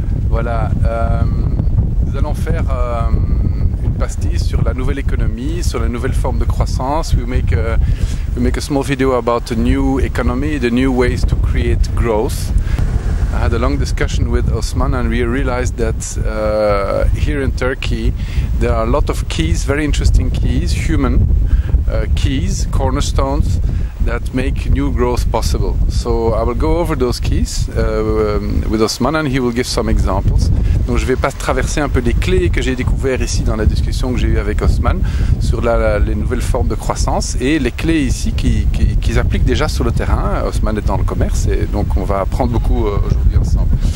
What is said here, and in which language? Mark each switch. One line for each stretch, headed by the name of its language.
French: Voilà, nous allons faire une pastille sur la nouvelle économie, sur la nouvelle forme de croissance.
English: We make a small video about the new economy, the new ways to create growth. I had a long discussion with Osman and we realized that here in Turkey there are a lot of keys, very interesting keys, human keys, cornerstones that make new growth possible. So I will go over those keys with Osman and he will give some examples.
French: Donc je vais pas traverser un peu les clés que j'ai découvert ici dans la discussion que j'ai eue avec Osman sur les nouvelles formes de croissance et les clés ici qu'ils appliquent déjà sur le terrain. Osman est dans le commerce et donc on va apprendre beaucoup aujourd'hui ensemble.